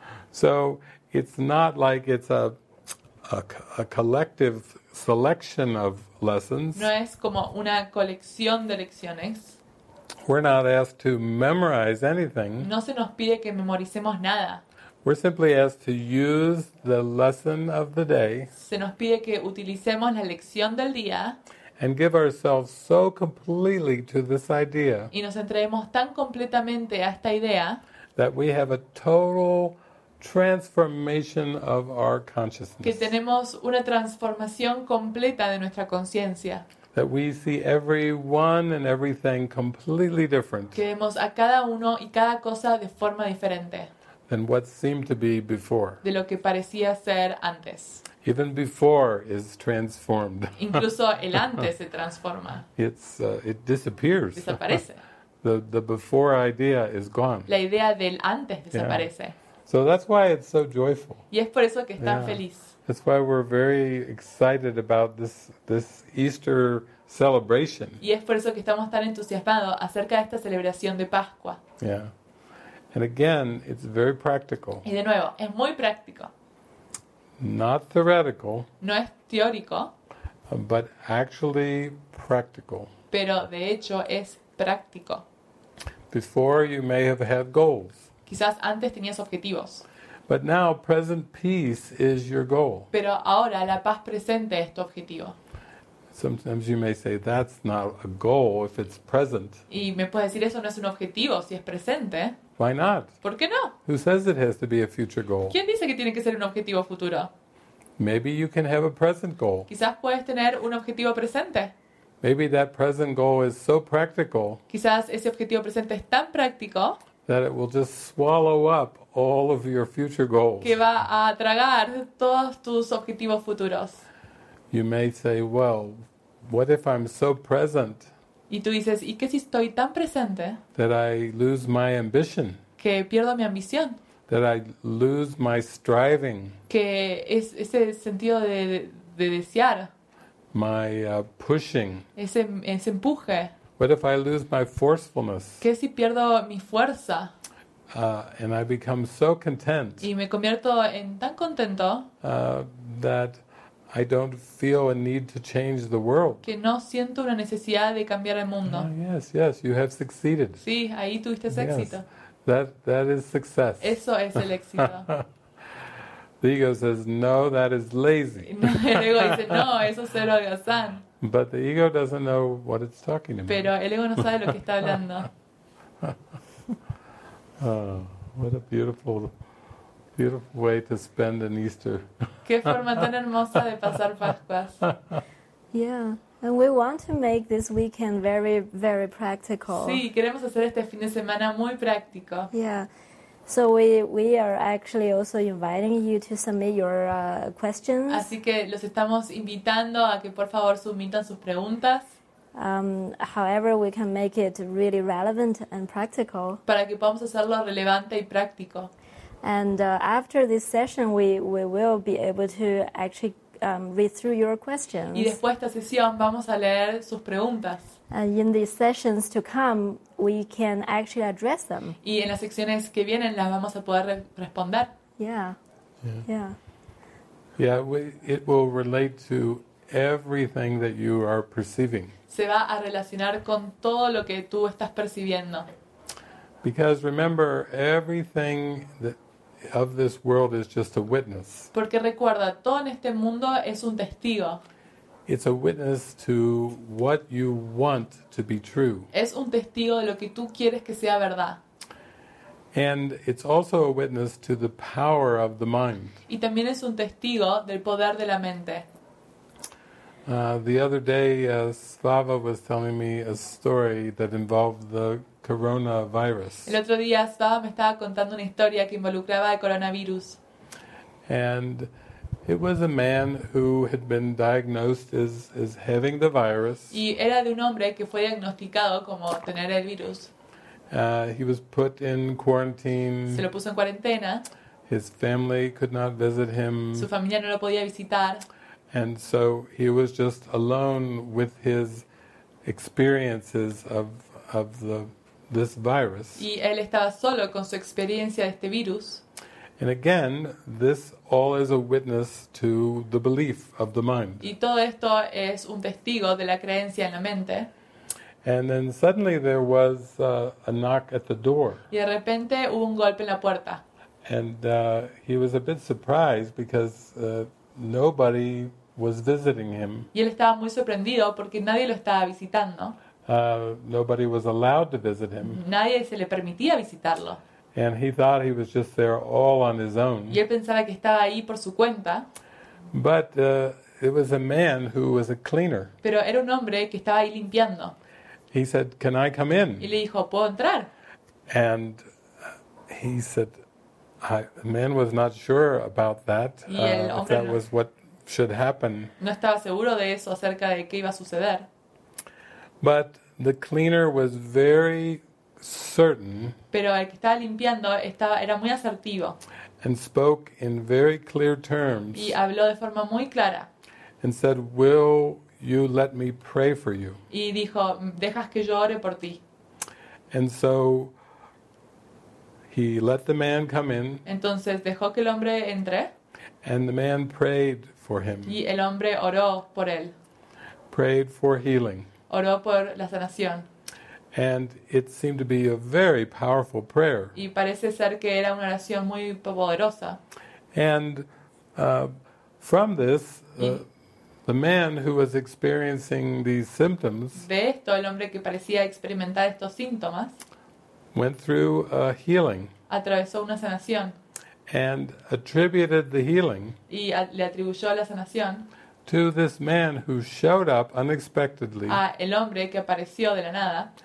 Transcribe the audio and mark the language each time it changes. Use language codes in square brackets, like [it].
[en] So it's not like it's a collective selection of lessons. [es] No es como una colección de lecciones. [en] We're not asked to memorize anything. [es] No se nos pide que memoricemos nada. [en] We're simply asked to use the lesson of the day. [es] Se nos pide que utilicemos la lección del día. [en] And give ourselves so completely to this idea. [es] Y nos entreguemos tan completamente a esta idea. [en] That we have a total transformation of our consciousness. [es] Que tenemos una transformación completa de nuestra conciencia. [en] That we see everyone and everything completely different. [es] Que vemos a cada uno y cada cosa de forma diferente. [en] Than what seemed to be before. [es] De lo que parecía ser antes. [en] Even before is transformed. [es] Incluso el antes se transforma. [en] It disappears. [es] Desaparece. [en] The before idea is gone. [es] La idea del antes desaparece. Yeah. [en] So that's why it's so joyful. [es] Y es por eso que es tan feliz. [en] That's why we're very excited about this Easter celebration. [es] Y es por eso que estamos tan entusiasmados acerca de esta celebración de Pascua. [en] Yeah. And again, it's very practical. [es] Y de nuevo, es muy práctico. [en] Not theoretical. [es] No es teórico. [en] But actually practical. [es] Pero de hecho es práctico. [en] Before you may have had goals. [es] Quizás antes tenías objetivos. [en] But now present peace is your goal. [es] Pero ahora la paz presente es tu objetivo. [en] Sometimes you may say that's not a goal if it's present. [es] Y me puedes decir eso no es un objetivo si es presente. [en] Why not? [es] ¿Por qué no? [en] Who says it has to be a future goal? [es] ¿Quién dice que tiene que ser un objetivo futuro? [en] Maybe you can have a present goal. [es] Quizás puedes tener un objetivo presente. [en] Maybe that present goal is so practical. [es] Quizás ese objetivo presente es tan práctico. [en] That it will just swallow up all of your future goals. [es] Que va a tragar todos tus objetivos futuros. [en] You may say, well, what if I'm so present? [es] Y tú dices, ¿y qué si estoy tan presente? [en] That I lose my ambition. [es] Que pierdo mi ambición. [en] That I lose my striving. [es] Que es ese sentido de desear. [en] My pushing. [es] Ese empuje. [en] What if I lose my forcefulness? [es] ¿Qué si pierdo mi fuerza? [en] And I become so content. [es] Y me convierto en tan contento. [en] That I don't feel a need to change the world. [es] Que no siento una necesidad de cambiar el mundo. [en] Yes, you have succeeded. [es] Sí, ahí tuviste éxito. [en] Yes, that is success. [es] Eso es el éxito. [en] The ego says, no, that is lazy. [es] El ego dice, no, eso es ser holgazán. [en] But the ego doesn't know what it's talking about. [es] Pero el ego no sabe lo que está hablando. [en] Oh, what a beautiful way to spend an Easter. [es] Qué forma tan hermosa de pasar Pascuas. [en] Yeah, and we want to make this weekend very, very practical. [es] Sí, queremos hacer este fin de semana muy práctico. [en] Yeah, so we are actually also inviting you to submit your questions. [es] Así que los estamos invitando a que por favor submitan sus preguntas. [en] However, we can make it really relevant and practical. [es] Para que podamos hacerlo relevante y práctico. [en] And after this session, we will be able to actually read through your questions. [es] Y después de esta sesión vamos a leer sus preguntas. [en] And in these sessions to come, we can actually address them. [es] Y en las secciones que vienen las vamos a poder responder. [en] Yeah. It will relate to everything that you are perceiving. [es] Se va a relacionar con todo lo que tú estás percibiendo. [en] Because remember, everything that of this world is just a witness. [es] Porque recuerda, todo en este mundo es un testigo. [en] It's a witness to what you want to be true. [es] Es un testigo de lo que tú quieres que sea verdad. [en] And it's also a witness to the power of the mind. [es] Y también es un testigo del poder de la mente. [en] The other day, Slava was telling me a story that involved the coronavirus. [es] El otro día, Slava me estaba contando una historia que involucraba el coronavirus. [en] And it was a man who had been diagnosed as having the virus. [es] Y era de un hombre que fue diagnosticado como tener el virus. [en] He was put in quarantine. [es] Se lo puso en cuarentena. [en] His family could not visit him. [es] Su familia no lo podía visitar. [en] And so he was just alone with his experiences of this virus. [es] Y él estaba solo con su experiencia de este virus. [en] And again, this all is a witness to the belief of the mind. [es] Y todo esto es un testigo de la creencia en la mente. [en] And then suddenly there was a knock at the door. [es] Y de repente hubo un golpe en la puerta. [en] And he was a bit surprised because nobody was visiting him. [es] Y él estaba muy sorprendido porque nadie lo estaba visitando. [en] Nobody was allowed to visit him. [es] Nadie se le permitía visitarlo. [en] And he thought he was just there all on his own. [es] Y él pensaba que estaba ahí por su cuenta. [en] But it was a man who was a cleaner. [es] Pero era un hombre que estaba ahí limpiando. [en] He said, "Can I come in?" [es] Y le dijo, "¿Puedo entrar?" [en] And he said, the man was not sure about that. [es] Y el hombre [en] if that was what should happen. [es] No estaba seguro de eso acerca de qué iba a suceder. [en] But the cleaner was very certain. [es] Pero el que estaba limpiando era muy asertivo. [en] And spoke in very clear terms. [es] Y habló de forma muy clara. [en] And said, "Will you let me pray for you?" [es] Y dijo, "Dejas que yo ore por ti." [en] And so he let the man come in. [es] Entonces dejó que el hombre entre. [en] And the man prayed for him. [es] Y el hombre oró por él. [en] Prayed for healing. [es] Oró por la sanación. [en] And it seemed to be a very powerful prayer. [es] Y parece ser que era una oración muy poderosa. [en] And from this, the man who was experiencing these symptoms. [es] De esto, el hombre que parecía experimentar estos síntomas. [en] Went through a healing. [es] Atravesó una sanación. [en] And attributed the healing. [es] Y le atribuyó la sanación. [en] To this man who showed up unexpectedly. [es] A el hombre que apareció de la nada.